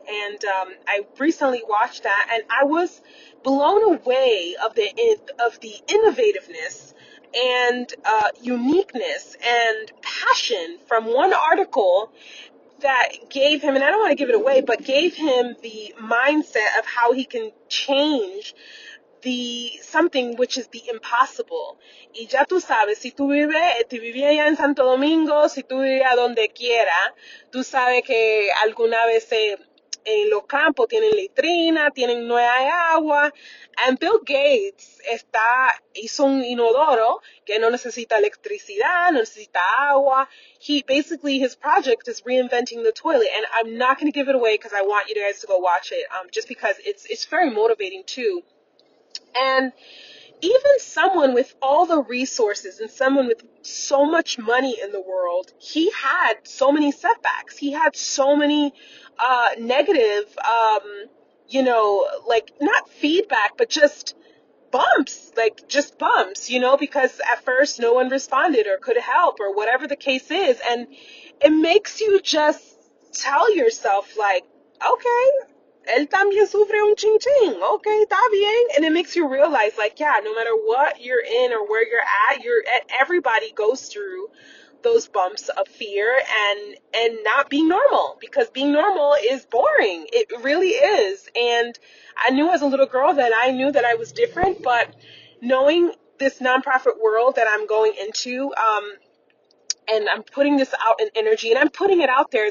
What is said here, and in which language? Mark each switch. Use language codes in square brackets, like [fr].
[en] And I recently watched that, and I was blown away of the innovativeness and uniqueness and passion from one article that gave him, and I don't want to give it away, but gave him the mindset of how he can change the something which is the impossible. [es] Y ya tú sabes, si tú vives, si vivía allá en Santo Domingo, si tú vivías donde quiera, tú sabes que alguna vez en los campos tienen letrina, tienen no hay agua. And Bill Gates hizo un inodoro que no necesita electricidad, no necesita agua. [en] He basically, his project is reinventing the toilet. And I'm not going to give it away because I want you guys to go watch it, just because it's very motivating too. And even someone with all the resources and someone with so much money in the world, he had so many setbacks. He had so many negative, you know, like not feedback, but just bumps, like just bumps, you know, because at first no one responded or could help or whatever the case is. And it makes you just tell yourself, like, okay, [es] él también sufre un ching ching. Okay, está bien. [en] And it makes you realize, like, yeah, no matter what you're in or where you're at, everybody goes through those bumps of fear and not being normal, because being normal is boring. It really is. And I knew as a little girl that I knew that I was different, but knowing this nonprofit world that I'm going into, and I'm putting this out in energy and I'm putting it out there.